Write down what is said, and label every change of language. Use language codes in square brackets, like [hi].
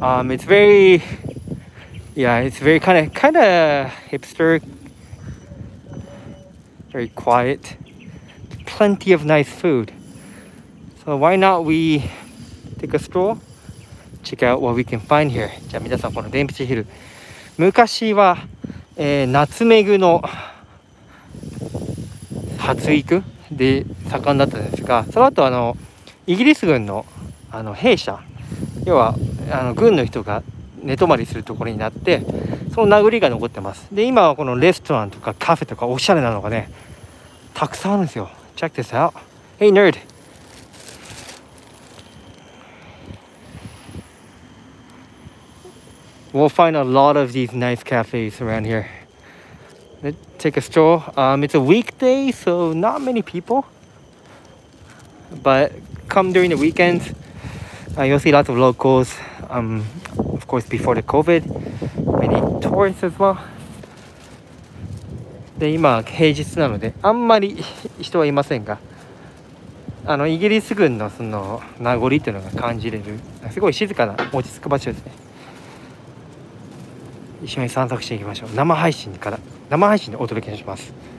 [en] It's very... Yeah, it's very kind of hipster, very quiet, plenty of nice food. So why not we take a stroll, check out what we can find here. [ja] じゃあ皆さんこのデンプシーヒル、昔は、ナツメグの発育で盛んだったんですが、その後イギリス軍の兵舎、要は軍の人が寝泊まりするところになって、その名残が残ってます。で今はこのレストランとかカフェとかおしゃれなのがねたくさんあるんですよ。 [en] Check this out. Hey nerd. We'll find a lot of these nice cafes around here. Let's take a stroll. It's a weekday, so not many people. But come during the weekends, you'll see lots of locals. Of course, before the COVID, many tourists as well. [ja] で今平日なのであんまり人はいませんが、イギリス軍のその名残というのが感じれる、すごい静かな落ち着く場所ですね。一緒に散策していきましょう。生配信でお届けします。